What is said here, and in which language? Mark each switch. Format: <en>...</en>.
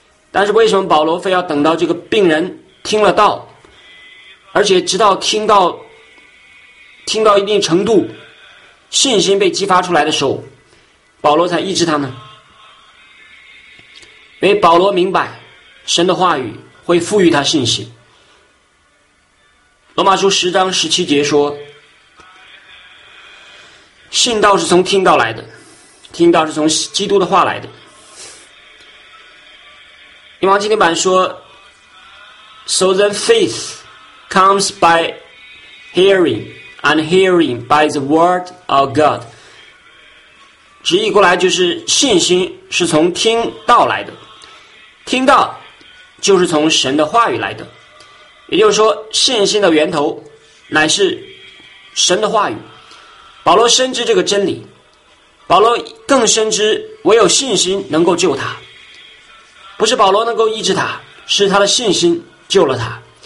<zh>但是为什么保罗非要等到这个病人听了道，而且直到听到一定程度信心被激发出来的时候，保罗才医治他呢？因为保罗明白神的话语会赋予他信心。罗马书10章17节说，信道是从听道来的，听道是从基督的话来的。英王经典版说</zh> <en>So then faith comes by hearing, and hearing by the word of God.</en> <zh>直译过来就是信心是从听道来的，听道就是从神的话语来的。也就是说，信心的源头乃是神的话语。保罗深知这个真理，保罗更深知唯有信心能够救他，不是保罗能够医治他，是他的信心救了他。</zh>